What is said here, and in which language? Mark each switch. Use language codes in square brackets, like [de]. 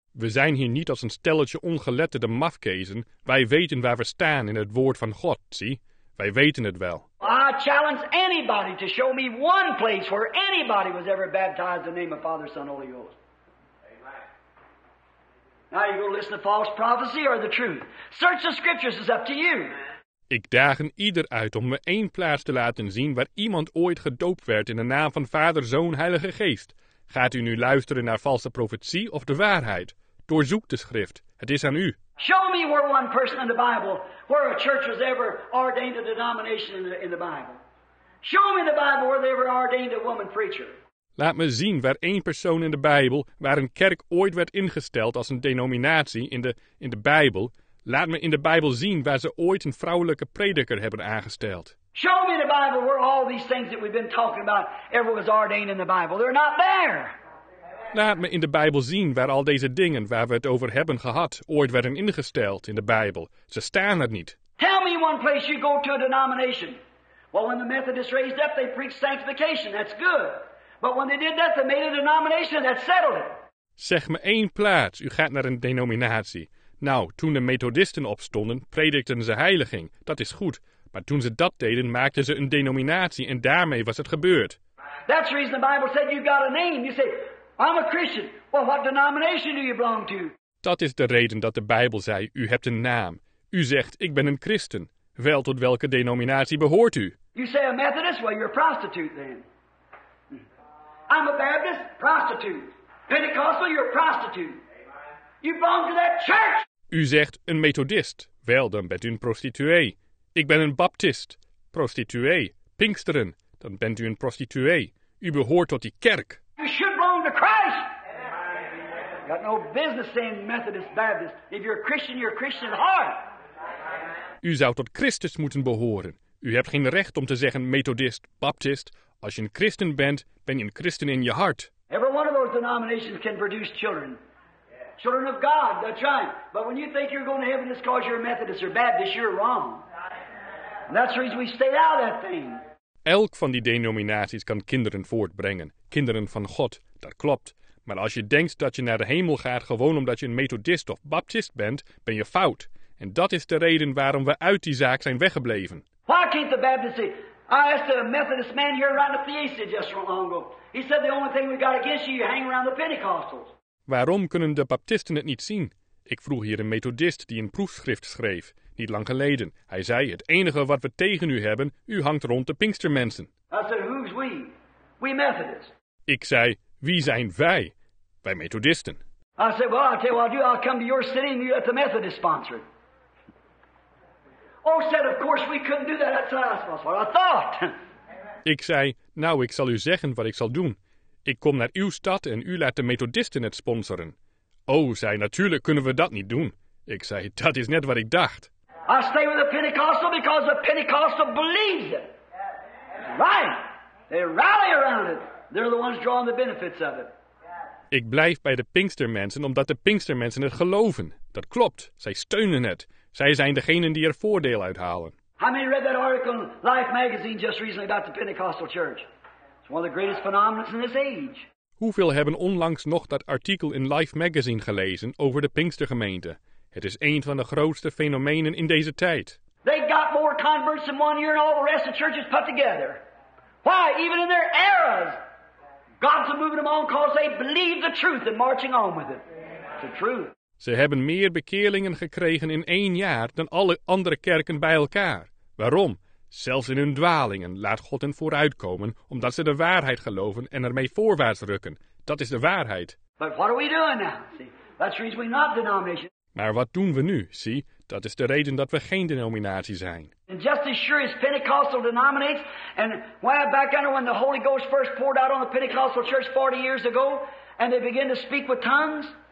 [nl] We zijn hier niet als een stelletje ongeletterde mafkezen. Wij weten waar we staan in het Woord van God, zie? Wij weten het wel. [en] I challenge anybody to show me one place where anybody was ever baptized in the name of Father, Son, Holy Ghost. Now you go listen to false prophecy or the truth. Search the scriptures, it's up to you. [nl] Ik daag een ieder uit om me één plaats te laten zien waar iemand ooit gedoopt werd in de naam van Vader, Zoon, Heilige Geest. Gaat u nu luisteren naar valse profetie of de waarheid? Doorzoek de schrift. Het is aan u. [en] Show me where one person in the Bible, where a church was ever ordained a denomination in the Bible. Show me the Bible where they ever ordained a woman preacher. [nl] Laat me zien waar één persoon in de Bijbel, waar een kerk ooit werd ingesteld als een denominatie in de Bijbel. Laat me in de Bijbel zien waar ze ooit een vrouwelijke prediker hebben aangesteld. [en] Show me the Bible where all these things that we've been talking about ever was ordained in the Bible. They're not there. [nl] Laat me in de Bijbel zien waar al deze dingen waar we het over hebben gehad ooit werden ingesteld in de Bijbel. Ze staan er niet. [en] Tell me one place you go to a denomination. Well, when the Methodists raised up, they preached sanctification. That's good. But when they did that, they made a denomination that settled it. [nl] Zeg me één plaats, u gaat naar een denominatie. Nou, toen de Methodisten opstonden, predikten ze heiliging. Dat is goed. Maar toen ze dat deden, maakten ze een denominatie en daarmee was het gebeurd. [en] That's the reason the Bible said you've got a name. You say, I'm a Christian. Well, what denomination do you belong to? [nl] Dat is de reden dat de Bijbel zei, u hebt een naam. U zegt, ik ben een christen. Wel, tot welke denominatie behoort u? [en] You say a Methodist? Well, you're a prostitute then. I'm a Baptist, prostitute. Pentecostal, you're a prostitute. Amen. You belong to that church. [nl] U zegt een Methodist. Wel, dan bent u een prostituee. Ik ben een Baptist. Prostituee. Pinksteren. Dan bent u een prostituee. U behoort tot die kerk. [en] You should belong to Christ. Amen. got no business saying Methodist, Baptist. If you're a Christian, you're a Christian at heart. [nl] U zou tot Christus moeten behoren. U hebt geen recht om te zeggen Methodist, Baptist. Als je een Christen bent, ben je een Christen in je hart. [en] Every one of those denominations can produce children. Children of God, that's right. But when you think you're going to heaven just because you're a Methodist or Baptist, you're wrong. And that's the reason we stayed out of that thing. [nl] Elk van die denominaties kan kinderen voortbrengen. Kinderen van God, dat klopt. Maar als je denkt dat je naar de hemel gaat gewoon omdat je een Methodist of Baptist bent, ben je fout. En dat is de reden waarom we uit die zaak zijn weggebleven. [en] Why can't the Baptist say, I asked a Methodist man here around the theater just long ago. He said the only thing we got against you, you hang around the Pentecostals. [nl] Waarom kunnen de Baptisten het niet zien? Ik vroeg hier een Methodist die een proefschrift schreef, niet lang geleden. Hij zei, het enige wat we tegen u hebben, u hangt rond de Pinkstermensen. [en] I said, who's we? We Methodists. [nl] Ik zei, wie zijn wij? Wij Methodisten. [en] I said, well, I'll tell you what I'll do. I'll come to your city and you let the Methodist sponsor it. Oh, said, of course we couldn't do that. That's what I thought. [nl] Ik zei, nou, ik zal u zeggen wat ik zal doen. Ik kom naar uw stad en u laat de Methodisten het sponsoren. Oh, zei, natuurlijk kunnen we dat niet doen. Ik zei, dat is net wat ik dacht. [en] I stay with the Pentecostal because the Pentecostal believes it. Right. They rally around it. They're the ones drawing the benefits of it. [nl] Ik blijf bij de Pinkstermensen omdat de Pinkstermensen het geloven. Dat klopt. Zij steunen het. Zij zijn degenen die er voordeel uit halen. [en] How many read that article in Life magazine just recently about the Pentecostal church? It's one of the greatest phenomena in this age. [nl] Hoeveel hebben onlangs nog dat artikel in Life magazine gelezen over de Pinkstergemeente? Het is een van de grootste fenomenen in deze tijd. [en] They got more converts in one year than all the rest of churches put together. Why? Even in their eras, God's moving them on because they believe the truth and marching on with it. It's the truth. [nl] Ze hebben meer bekeerlingen gekregen in één jaar dan alle andere kerken bij elkaar. Waarom? Zelfs in hun dwalingen laat God hen vooruitkomen omdat ze de waarheid geloven en ermee voorwaarts rukken. Dat is de waarheid. [en] But what are we doing now? See, that's the reason we're not denomination. [nl] Maar wat doen we nu? Zie, dat is de reden dat we geen denominatie zijn. [en] And just as sure as Pentecostal denominates, and why back under when the Holy Ghost first poured out on the Pentecostal church 40 years ago, and they began to speak with tongues.